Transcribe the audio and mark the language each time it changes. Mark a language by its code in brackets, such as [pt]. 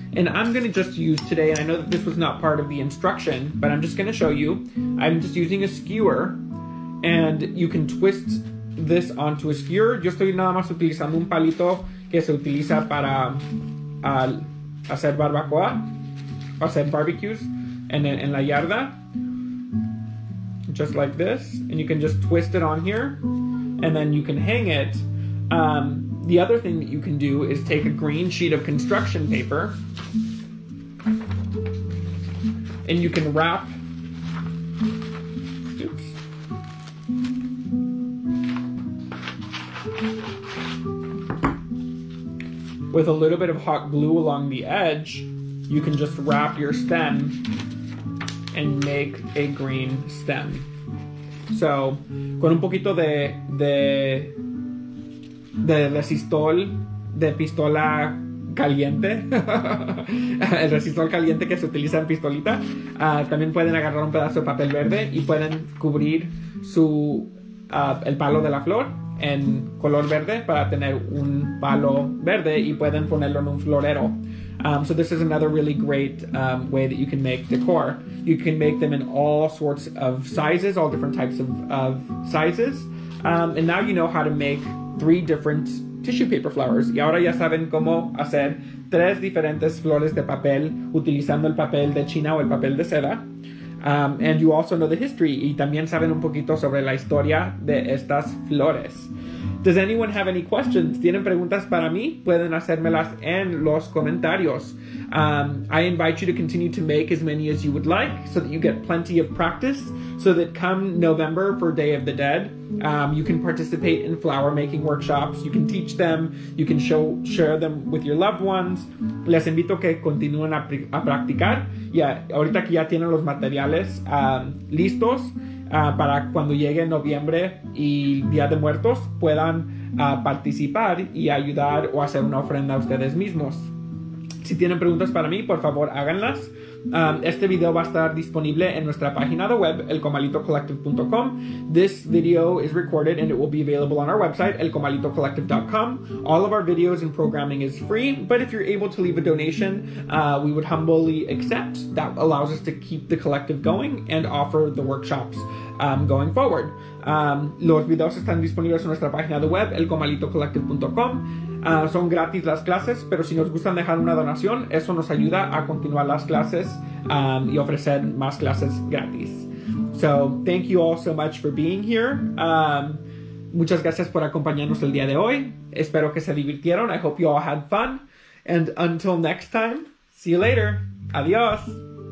[en] And I'm going to just use today, and I know that this was not part of the instruction, but I'm just going to show you. I'm just using a skewer, and you can twist this onto a skewer. [es] Yo estoy nada más utilizando un palito que se utiliza para hacer barbacoa, hacer barbecues en la yarda. [en] Just like this, and you can just twist it on here, and then you can hang it. The other thing that you can do is take a green sheet of construction paper, and you can wrap. Oops. With a little bit of hot glue along the edge, you can just wrap your stem and make a green stem. [es] So, con un poquito de resistol, de pistola caliente, el resistol caliente que se utiliza en pistolita, también pueden agarrar un pedazo de papel verde y pueden cubrir el palo de la flor en color verde para tener un palo verde y pueden ponerlo en un florero. [en] So this is another really great way that you can make decor. You can make them in all sorts of sizes, all different types of sizes. And now you know how to make three different tissue paper flowers. [es] Y ahora ya saben cómo hacer tres diferentes flores de papel utilizando el papel de China o el papel de seda. [en] And you also know the history [es] y también saben un poquito sobre la historia de estas flores. [en] Does anyone have any questions? [es] ¿Tienen preguntas para mí? Pueden hacérmelas en los comentarios. [en] I invite you to continue to make as many as you would like so that you get plenty of practice so that come November for Day of the Dead, you can participate in flower making workshops. You can teach them. You can share them with your loved ones. [es] Les invito que continúen a practicar. Yeah, ahorita que ya tienen los materiales listos, para cuando llegue noviembre y Día de Muertos puedan participar y ayudar o hacer una ofrenda a ustedes mismos. Si tienen preguntas para mí, por favor háganlas. Este video va a estar disponible en nuestra página de web, elcomalitocollective.com. [en] This video is recorded and it will be available on our website, elcomalitocollective.com. All of our videos and programming is free, but if you're able to leave a donation, we would humbly accept. That allows us to keep the collective going and offer the workshops going forward. [es] Los videos están disponibles en nuestra página de web, elcomalitocollective.com. Son gratis las clases, pero si nos gustan dejar una donación, eso nos ayuda a continuar las clases y ofrecer más clases gratis. [en] So, thank you all so much for being here. [es] Muchas gracias por acompañarnos el día de hoy. Espero que se divirtieron. [en] I hope you all had fun. And until next time, see you later. [es] Adiós.